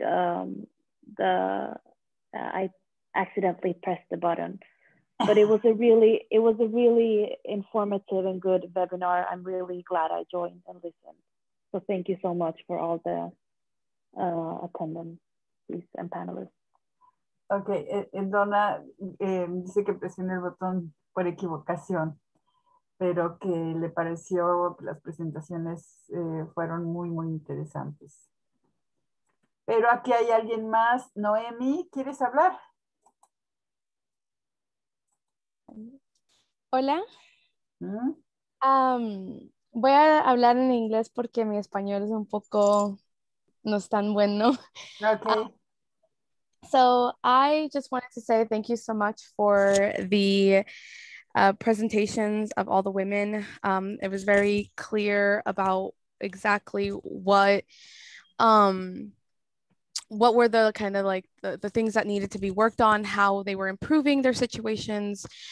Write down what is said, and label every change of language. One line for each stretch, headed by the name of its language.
English: I accidentally pressed the button, but it was a really informative and good webinar. I'm really glad I joined and listened. So thank you so much for all the attendees and panelists.
Spanish: Okay, Donna, dice que presioné el botón por equivocación, pero que le pareció que las presentaciones fueron muy, muy interesantes. Pero aquí hay alguien más. Noemi, ¿quieres hablar? Hola. Voy a hablar en inglés porque mi español es un poco, no es tan bueno.
English: Okay. So I just wanted to say thank you so much for the presentations of all the women. It was very clear about exactly what were the kind of like the things that needed to be worked on, how they were improving their situations.